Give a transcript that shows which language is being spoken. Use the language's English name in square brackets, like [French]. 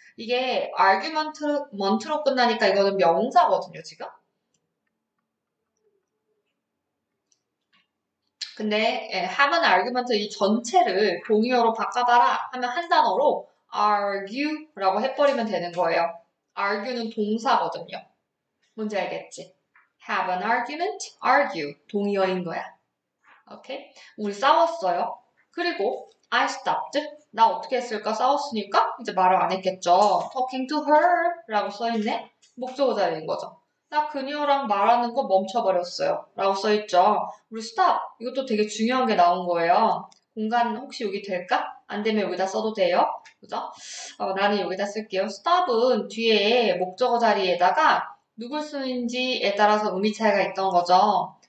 [Korean] 이게 argument로 끝나니까 이거는 명사거든요, 지금. 근데 [English] have an argument [Korean] 이 전체를 동의어로 바꿔봐라 하면 한 단어로 argue라고 해버리면 되는 거예요. argue는 동사거든요. 뭔지 알겠지? [English] have an argument, [Korean] argue 동의어인 거야. 오케이? 우리 싸웠어요. [English] 그리고 I stopped. [Korean] 나 어떻게 했을까? 싸웠으니까 이제 말을 안 했겠죠. [English] Talking to her [Korean] 라고 써있네. 목적어자인 거죠. 나 그녀랑 말하는 거 멈춰버렸어요. 라고 써있죠. 우리 stop. 이것도 되게 중요한 게 나온 거예요. 공간 혹시 여기 될까? 안 되면 여기다 써도 돼요. 그죠? 나는 여기다 쓸게요. Stop은 뒤에 목적어 자리에다가 누굴 쓰는지에 따라서 의미 차이가 있던 거죠.